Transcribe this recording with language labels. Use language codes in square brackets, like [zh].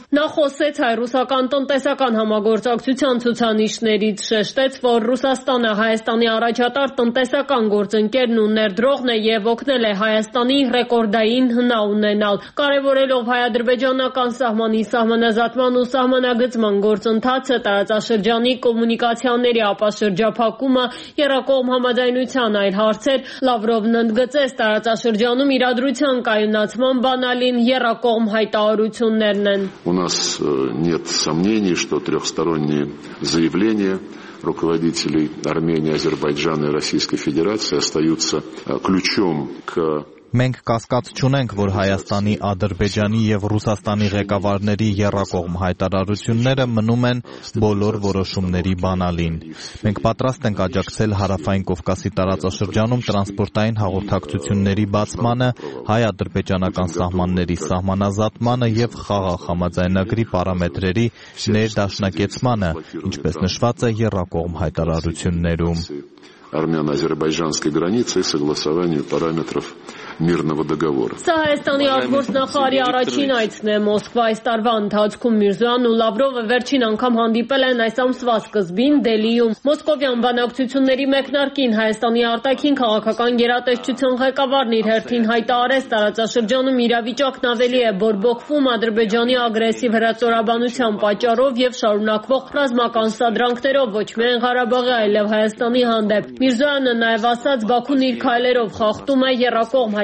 [hy] նա խոսեց հայ-ռուսական տնտեսական համագործակցության ցուցանիշներից, շեշտեց, որ Ռուսաստանը Հայաստանի առաջատար տնտեսական գործընկերն ու ներդրողն է եւ օգնել է Հայաստանի ռեկորդային հնա ունենալ, կարևորելով հայ-ադրբեջանական սահմանի սահմանազատման ու սահմանագծման գործընթացը, տարածաշրջանի կոմունիկացիաների ապաշրջափակումը, երկկողմ համաձայնության այլ հարցեր։ Լավրովն ընդգծեց տարածաշրջանում իրադրության կայունացման բանալին երկկողմ հայտարարություններն են։ [ru] У нас нет сомнений, что трёхсторонние заявления руководителей Армении, Азербайджана и Российской Федерации остаются ключом к... [hy] Մենք կասկած չունենք, որ Հայաստանի, Ադրբեջանի եւ Ռուսաստանի ղեկավարների երկկողմ հայտարարությունները մնում են բոլոր որոշումների բանալին։ Մենք պատրաստ ենք աջակցել Հարավային Կովկասի տարածաշրջանում տրանսպորտային հաղորդակցությունների բացմանը, հայ-ադրբեջանական սահմանների սահմանազատմանը եւ խաղաղ համաձայնագրի պարամետրերի ներդաշնակեցմանը, ինչպես նշված է երկկողմ հայտարարություններում։ [ru] Армяно-азербайджанской границы и согласованию параметров мирного договора. [hy] Հայաստանի արտգործնախարարի առաջին այցն է Մոսկվա այս տարվա ընթացքում։ Միրզոյանն ու Լավրովը վերջին անգամ հանդիպել են այս ամսվա սկզբին Դելիում։ Մոսկովյան բանակցությունների մեկնարկին Հայաստանի արտաքին քաղաքական գերատեսչության ղեկավարն իր հերթին հայտարարեց տարածաշրջանում իրավիճակն ավելի է բորբոքվում Ադրբեջանի ագրեսիվ հրացորաբանության պատճառով եւ շարունակվող ռազմական սադրանքներով ոչ միայն Ղարաբաղի, այլև Հայաստանի հանդեպ։ Միրզոյանը նաեւ ասաց, Բաքուն իր քայլերով խախտում է երկկողմ